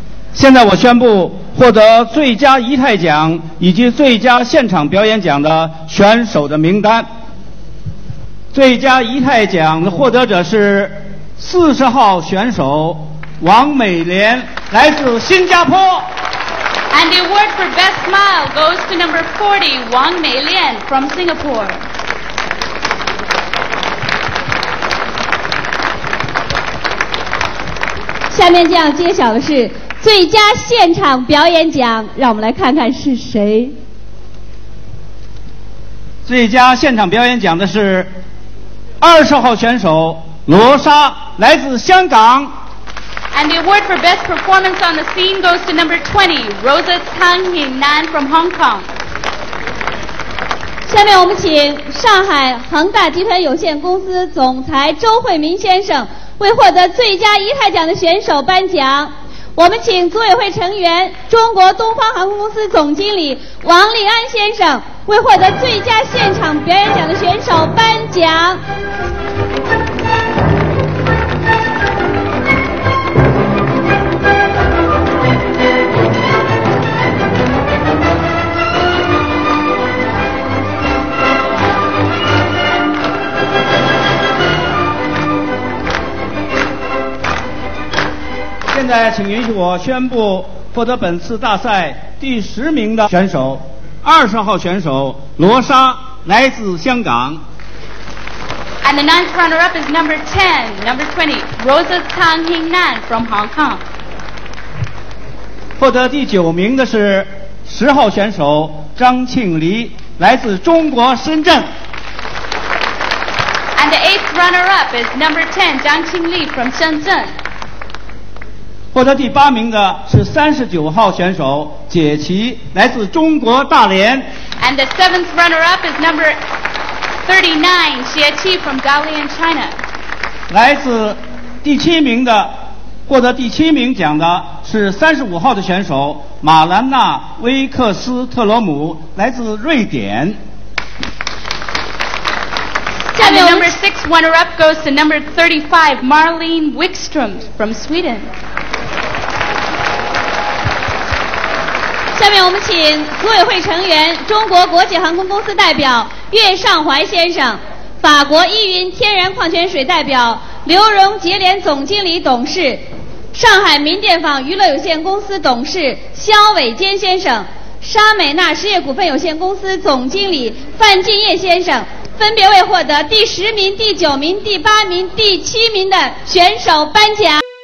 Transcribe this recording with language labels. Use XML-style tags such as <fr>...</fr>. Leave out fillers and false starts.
<zh>现在我宣布，获得最佳仪态奖以及最佳现场表演奖的选手的名单。最佳仪态奖的获得者是40号选手王美莲，来自新加坡。</zh> <en>And the award for best smile goes to number 40, Wang Meilian from Singapore.</en> <zh>下面将揭晓的是最佳现场表演奖，让我们来看看是谁。最佳现场表演奖的是20号选手罗莎，来自香港。</zh> <en>And the award for best performance on the scene goes to number 20, Rosa Tang Hinan from Hong Kong.</en> <zh>下面我们请上海恒大集团有限公司总裁周慧民先生为获得最佳仪态奖的选手颁奖。我们请组委会成员、中国东方航空公司总经理王立安先生为获得最佳现场表演奖的选手颁奖。现在请允许我宣布获得本次大赛第10名的选手，20号选手罗莎，来自香港。</zh> <en>And the ninth runner-up is number 20, Rosa Tang Hinan from Hong Kong.</en> <zh>获得第9名的是10号选手张庆黎，来自中国深圳。</zh> <en>And the eighth runner-up is number 10, 张庆黎 from 深圳。</en> <zh>获得第8名的是39号选手解琦，来自中国大连。</zh> <en>And the seventh runner-up is number 39, 解琦 from Dalian, China.</en> <zh>来自第7名的，获得第7名奖的是35号的选手马兰娜·威克斯特罗姆，来自瑞典。</zh> <en>And the number 6 runner-up goes to number 35, Marlene Wickström from Sweden.</en> <zh>下面我们请组委会成员、中国国际航空公司代表岳尚怀先生、法国依云天然矿泉水代表刘荣杰联总经理董事、上海民电坊娱乐有限公司董事肖伟坚先生、沙美纳实业股份有限公司总经理范进业先生，分别为获得第10名、第9名、第8名、第7名的选手颁奖。</zh>